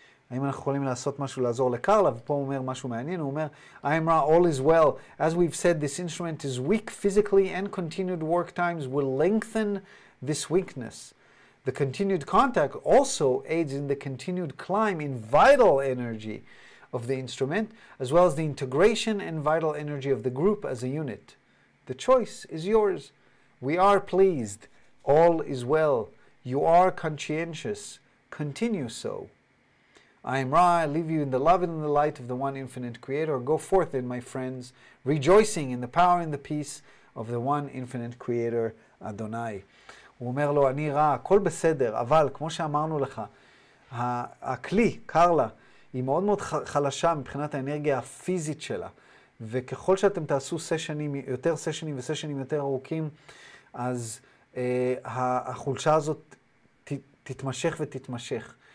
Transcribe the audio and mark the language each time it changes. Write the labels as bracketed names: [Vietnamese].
[Hebrew] האם אנחנו יכולים לעשות משהו לעזור לקרלה? ופה הוא אומר משהו מעניין, הוא אומר, [English] I'm Ra, all is well. As we've said, this instrument is weak physically and continued work times will lengthen this weakness. The continued contact also aids in the continued climb in vital energy of the instrument, as well as the integration and vital energy of the group as a unit. The choice is yours. We are pleased. All is well. You are conscientious. Continue so. I am Ra, I leave you in the love and in the light of the one infinite creator. Go forth then, my friends, rejoicing in the power and the peace of the one infinite creator, Adonai. [Hebrew] הוא אומר לו, אני Ra, הכל בסדר, אבל כמו שאמרנו לך, הכלי, קרלה, היא מאוד מאוד חלשה מבחינת האנרגיה הפיזית שלה. וככל שאתם תעשו סשנים, יותר סשנים וסשנים יותר ארוכים, אז החולשה הזאת תתמשך ותתמשך.